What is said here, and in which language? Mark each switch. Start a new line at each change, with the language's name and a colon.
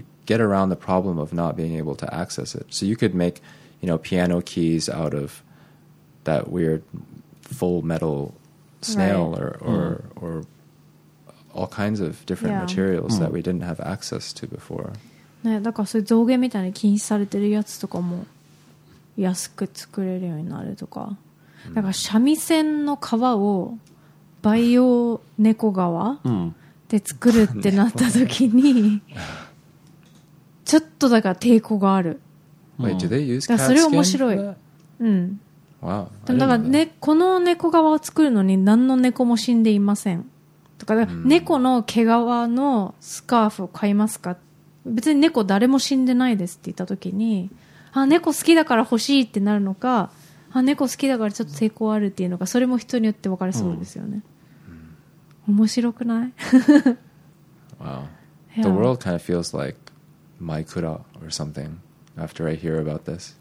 English: get around the problem of not being able to access it. So you could make, you know, piano keys out of that weird full metal snail, right. or all kinds of different yeah. materials that we didn't have access to before.
Japanese: ね、だからそういう造形みたいに禁止されてるやつとかも安く作れるようになるとか、だから三味線の皮を培養猫皮で作るってなった時にちょっとだから抵抗がある。
English: Wait, do they use cat skin?
Japanese: それ面白い。うん、
English: wow.
Japanese: でもだからね、この猫皮を作るのに何の猫も死んでいませんとか、猫の毛皮のスカーフを買いますか、別に猫誰も死んでないですって言った時に、あ、猫好きだから欲しいってなるのか、あ、猫好きだからちょっと抵抗あるっていうのか、それも人によって分かれそうですよね。うん、面白くない
English: Wow. The world kind of feels like Minecraft or something after I hear about this.